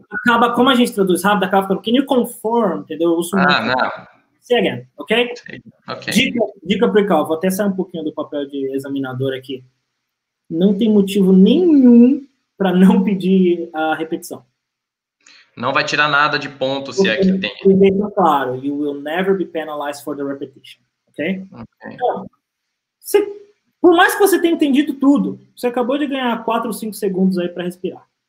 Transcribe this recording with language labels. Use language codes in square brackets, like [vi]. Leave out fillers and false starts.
[pt] Acaba, como a gente traduz rápido, acaba falando, [en] can you confirm, [pt] entendeu? Ah, não. [en] Say again, ok? Ok. [pt] Dica pro Cal, vou até sair um pouquinho do papel de examinador aqui. Não tem motivo nenhum para não pedir a repetição. Não vai tirar nada de ponto se é que tem. Deixa claro, [en] you will never be penalized for the repetition, ok? Ok. [pt] Então, por mais que você tenha entendido tudo, você acabou de ganhar 4 ou 5 segundos aí para respirar.